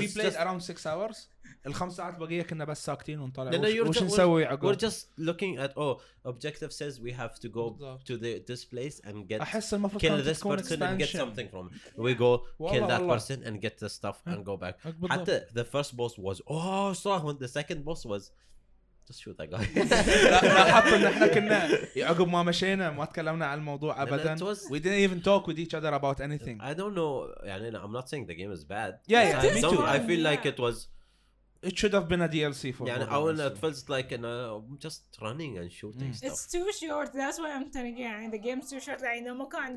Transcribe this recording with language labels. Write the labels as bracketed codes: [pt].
[en] we played around 6 hours [ar] الخمس ساعات البقيه كنا بس ساكتين ونطلع وش نسوي عقب [en] we're just looking at objective says we have to go to this place and get kill this person and get something from it. We go kill that person and get the stuff and go back. [ar] حتى [en] the first boss was [ar] صح [en] when the second boss was just shoot that guy. [ar] لاحظت ان احنا كنا عقب ما مشينا ما تكلمنا عن الموضوع ابدا. [en] We didn't even talk with each other about anything. I don't know. [ar] يعني [en] I'm not saying the game is bad. Yeah, me too. I feel like it was It should have been a DLC for Borderlands. Yeah, Borderlands. It feels like an, I'm just running and shooting stuff. It's too short. That's why I'm telling you. Yeah, the game's too short. Like, no more can